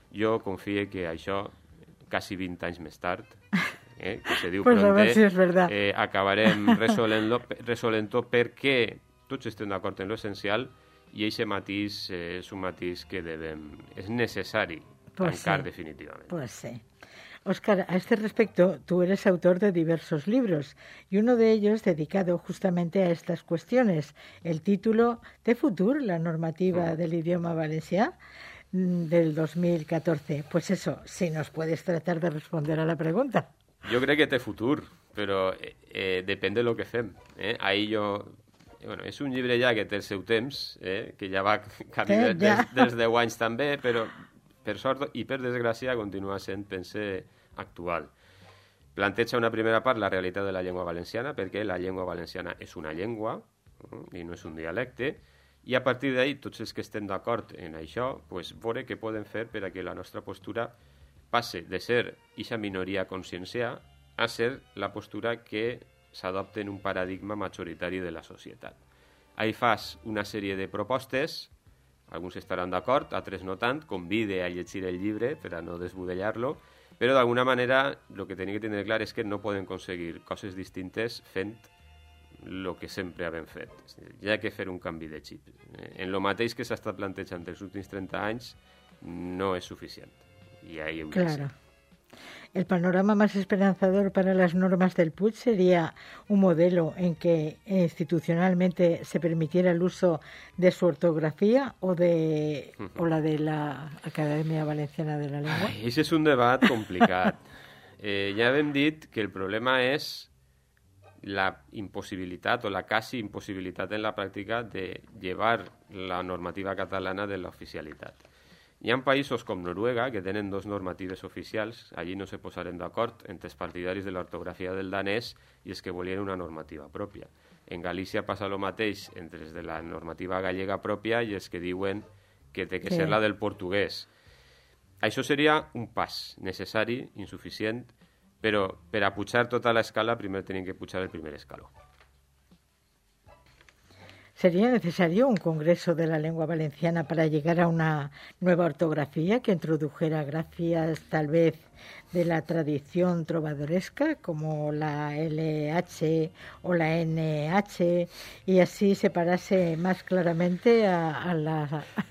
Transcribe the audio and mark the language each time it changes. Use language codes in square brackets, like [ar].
[ca] Jo confie que això, quasi 20 anys més tard, que se diu pues prontet, si és verdad. Acabarem resolent-ho perquè tots estem d'acord en l'essencial i aquest matís és un matís que és necessari pues tancar sí. definitivament. [es] Pues sí. Óscar, a este respecto, tú eres autor de diversos libros y uno de ellos dedicado justamente a estas cuestiones. El título de Futur, la normativa del idioma valencià, del 2014. Pues eso, si nos puedes tratar de responder a la pregunta. Yo creo que [ca] té futur, però depèn de lo que fem. Ahí yo, bueno, és un llibre ja que té el seu temps, que ja va canviar des de 10 anys també, però... Per sort i per desgràcia, continua sent, pense, actual. Planteja una primera part la realitat de la llengua valenciana, perquè la llengua valenciana és una llengua i no és un dialecte, i a partir d'ahí, tots els que estem d'acord en això, pues, veure què podem fer perquè la nostra postura passe de ser aquesta minoria consciencià a ser la postura que s'adopta en un paradigma majoritari de la societat. Ahí fas una sèrie de propostes. Alguns estaran d'acord, altres no tant. Convide a llegir el llibre per a no desbudellar-lo. Però, d'alguna manera, el que hem de tenir clar és que no podem aconseguir coses distintes fent el que sempre hem fet. Hi ha que fer un canvi de xip. En el mateix que s'ha estat plantejant els últims 30 anys, no és suficient. I ahí ho claro. [es] El panorama más esperanzador para las normas del Puig sería un modelo en que institucionalmente se permitiera el uso de su ortografía o la de la Academia Valenciana de la Lengua. Ay, ese es un debate complicado. [ca] ya hem dit que [es] el problema es la imposibilidad o la casi imposibilidad en la práctica de llevar la normativa catalana de la oficialidad. [ca] Hi ha països com Noruega, que tenen dos normatives oficials, allí no se posarem d'acord entre els partidaris de l'ortografia del danès i els que volien una normativa pròpia. En Galícia passa el mateix entre els de la normativa gallega pròpia i els que diuen que té que ser la del portuguès. Això seria un pas necessari, insuficient, però per a pujar tota l'escala primer hem de pujar el primer escaló. [es] ¿Sería necesario un congreso de la lengua valenciana para llegar a una nueva ortografía que introdujera gracias, tal vez, de la tradición trovadoresca, como la LH o la NH, y así separase más claramente a la